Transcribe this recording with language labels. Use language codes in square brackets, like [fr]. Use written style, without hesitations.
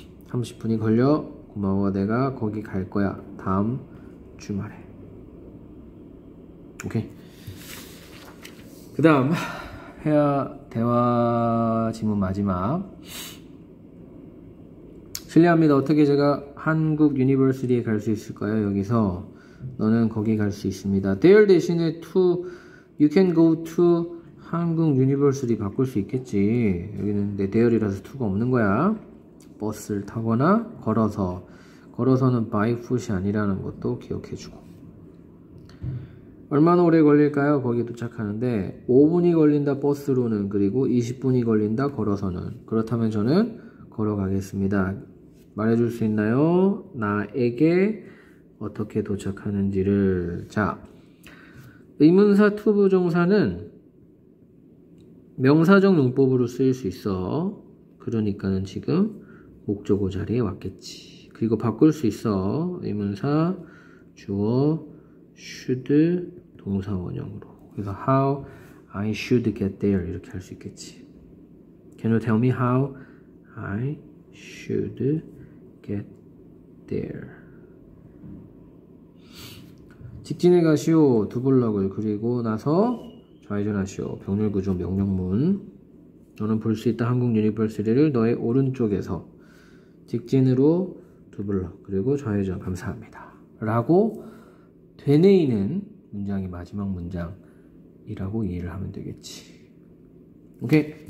[ko] 30분이 걸려. 고마워. 내가 거기 갈 거야. 다음 주말에. 오케이. 그 다음. 대화 지문 마지막. 실례합니다. 어떻게 제가 한국 유니버시티에 갈수 있을까요? 여기서. 너는 거기 갈수 있습니다. There 대신에 to, [en] you can go to [ko] 한국 유니버설이 바꿀 수 있겠지. 여기는 내 대열이라서 투가 없는 거야. 버스를 타거나 걸어서. 걸어서는 [en] by foot [ko] 이 아니라는 것도 기억해주고. 얼마나 오래 걸릴까요? 거기 도착하는데 5분이 걸린다 버스로는, 그리고 20분이 걸린다 걸어서는. 그렇다면 저는 걸어가겠습니다. 말해줄 수 있나요? 나에게 어떻게 도착하는지를. 자, 의문사 to 부정사는 명사적 용법으로 쓰일 수 있어. 그러니까는 지금 목적어 자리에 왔겠지. 그리고 바꿀 수 있어. 의문사 주어 should 동사원형으로. 그래서 [en] how I should get there [ko] 이렇게 할수 있겠지. [en] Can you tell me how I should get there? [ko] 직진해 가시오. 두 블럭을. 그리고 나서 좌회전하시오. 병렬구조 명령문. 너는 볼수 있다. 한국 유니버시티를 너의 오른쪽에서 직진으로 두 블럭. 그리고 좌회전 감사합니다. 라고 되뇌이는 문장이 마지막 문장이라고 이해를 하면 되겠지. 오케이.